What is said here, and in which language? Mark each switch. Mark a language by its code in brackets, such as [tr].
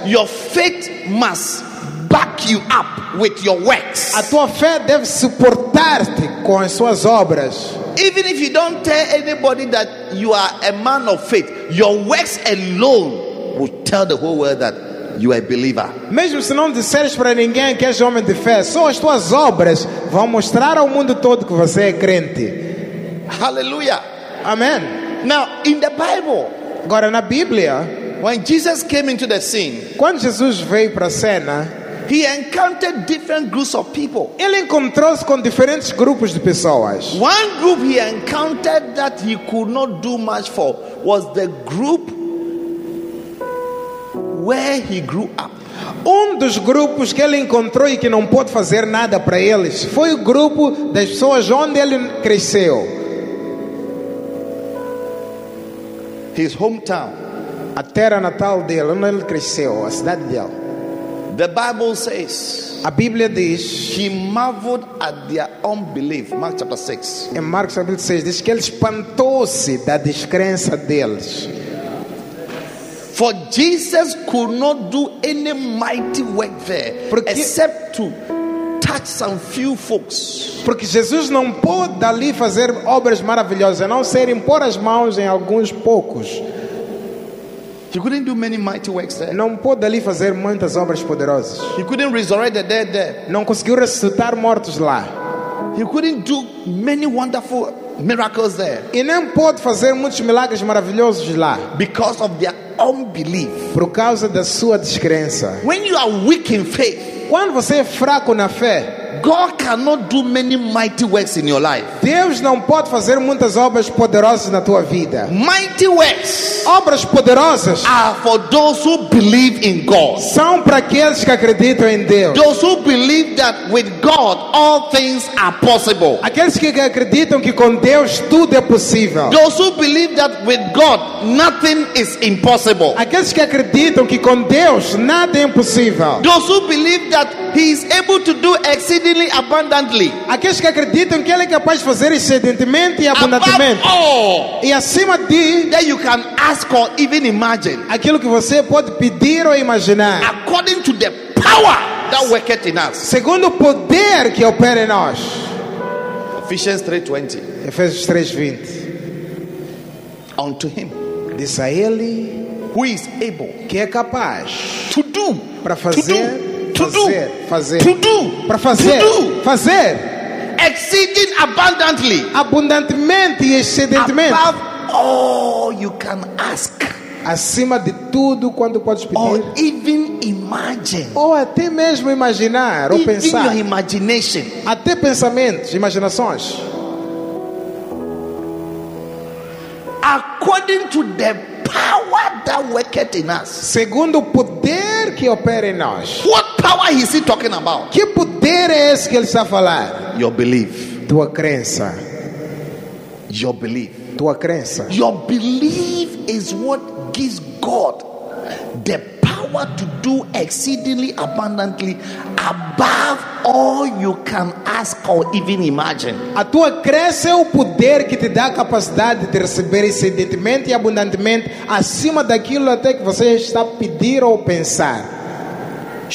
[en] Your faith must back you up with your works. [pt] A tua fé deve suportar-te com as suas obras. [en] Even if you don't tell anybody that you are a man of faith, your works alone will tell the whole world that you are a believer. [pt] Mesmo se não disseres para ninguém que és homem de fé, só as tuas obras vão mostrar ao mundo todo que você é crente. [en] Hallelujah. Amen. Now, in the Bible, [pt] agora na Bíblia, [en] when Jesus came into the scene, [pt] quando Jesus veio para a cena, [en] he encountered different groups of people. [pt] Ele encontrou-se com diferentes grupos de pessoas. [en] One group he encountered that he could not do much for was the group where he grew up. [pt] Dos grupos que ele encontrou e que não pôde fazer nada para eles foi o grupo das pessoas onde ele cresceu. [en] His hometown. [pt] A terra natal dele, onde ele cresceu, a cidade dele. [en] The Bible says, [pt] a Bíblia diz, [en] he marveled at their unbelief. Mark chapter 6. [pt] Em Marcos capítulo 6 diz que ele espantou-se da descrença deles. [en] For Jesus could not do any mighty work there, [pt] porque, [en] except to touch some few folks. [pt] Porque Jesus não pôde dali fazer obras maravilhosas, a não ser impor as mãos em alguns poucos. [en] He couldn't do many mighty works there. [pt] Não pôde ali fazer muitas obras poderosas. [en] He couldn't resurrect the dead there. [pt] Não conseguiu ressuscitar mortos lá. [en] He couldn't do many wonderful miracles there. [pt] E não pôde fazer muitos milagres maravilhosos lá. [en] Because of their unbelief. [pt] Por causa da sua descrença. [en] When you are weak in faith, [pt] quando você é fraco na fé, [en] God cannot do many mighty works in your life. [pt] Deus não pode fazer muitas obras poderosas na tua vida. [en] Mighty works, [pt] obras poderosas, [en] are for those who believe in God. [pt] São para aqueles que acreditam em Deus. [en] Those who believe that with God all things are possible. [pt] Aqueles que acreditam que com Deus tudo é possível. [en] Those who believe that with God nothing is impossible. [pt] Aqueles que acreditam que com Deus nada é impossível. [en] Those who believe that He is able to do exceedingly abundantly. [pt] Aqueles que acreditam que Ele é capaz de fazer excedentemente e abundantemente. [en] Above all, [pt] e acima de, [en] that you can ask or even imagine. [pt] Aquilo que você pode pedir ou imaginar. [en] According to the power that worketh in us. [pt] Segundo o poder que opera em nós. [en] Ephesians 3:20. [pt] Efésios 3:20. [en] Unto Him. [pt] Diz a Ele. [en] Who is able. [pt] Que é capaz. [en] To do. [pt] Para fazer. [en] To do, exceeding abundantly, [pt] abundantemente e excedentemente, [en] above all you can ask, [pt] acima de tudo quanto podes pedir, [en] or even imagine, [pt] ou até mesmo imaginar, ou pensar, [en] your imagination, [pt] até pensamentos, imaginações, [en] according to the power that worketh in us, [pt] segundo o poder que opera em nós. [en] What power is he talking about? [pt] Que poder é esse que ele está a falar? [en] Your belief. [pt] Tua crença. [en] Your belief. [pt] Tua crença. [en] Your belief is what gives God the power to do exceedingly abundantly above all you can ask or even imagine. [pt] A tua crença é o poder que te dá a capacidade de receber excedentemente e abundantemente acima daquilo até que você está a pedir ou pensar.